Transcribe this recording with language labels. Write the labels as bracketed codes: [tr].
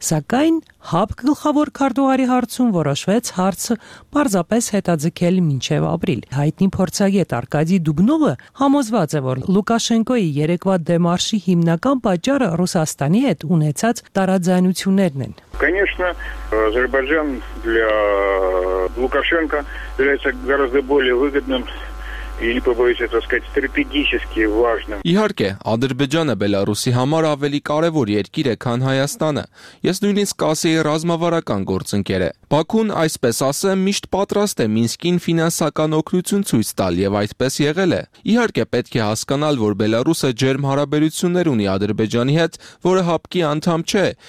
[hy] Սակայն ՀԱՊԿ գլխավոր քարտուղարի հարցում որոշվեց հարցը պարզապես հետաձգել մինչև ապրիլ։ Հայտնի փորձագետ Արկադի Դուբնովը համոզված է, որ Լուկաշենկոյի երեկվա դեմարշի հիմնական պատճառը Ռուսաստանի հետ ունեցած տարաձայնություններն են։ [ru] Конечно, Азербайджан для Лукашенко является гораздо более выгодным или побоюсь это сказать, стратегически важным. [hy] Իհարկե, Ադրբեջանը Բելարուսի համար ավելի կարևոր երկիր է, քան Հայաստանը։ Ես նույնիսկ ասեի ռազմավարական գործընկեր է։ Բաքուն, այսպես ասեմ, միշտ պատրաստ է Մինսկին ֆինանսական օգնություն ցույց տալ եւ այդպես եղել է։ Իհարկե, պետք է հասկանալ, որ Բելարուսը ջերմ հարաբերություններ ունի Ադրբեջանի հետ, որը ՀԱՊԿ-ի անդամ չէ,